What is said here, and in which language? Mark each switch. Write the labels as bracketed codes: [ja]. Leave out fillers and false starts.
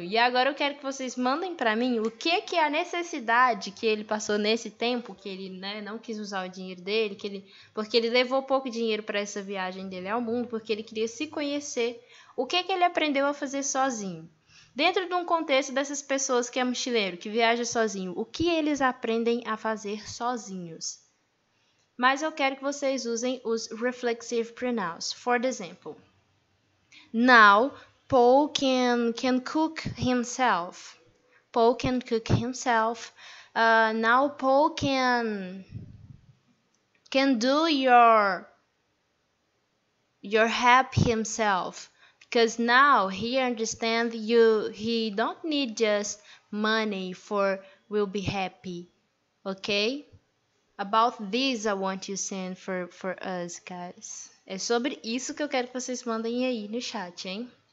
[pt] E agora eu quero que vocês mandem para mim o que que é a necessidade que ele passou nesse tempo, que ele, né, não quis usar o dinheiro dele, que ele, porque ele levou pouco dinheiro para essa viagem dele ao mundo, porque ele queria se conhecer. O que que ele aprendeu a fazer sozinho? Dentro de um contexto dessas pessoas que é mochileiro, que viaja sozinho, o que eles aprendem a fazer sozinhos? Mas eu quero que vocês usem os reflexive pronouns. [en] For example, now, Paul can cook himself. Paul can cook himself. Now, Paul can do your help himself. Because now he understands you, he don't need just money for will be happy, okay? About this I want you to send for us, guys. [pt] É sobre isso que eu quero que vocês mandem aí no chat, hein?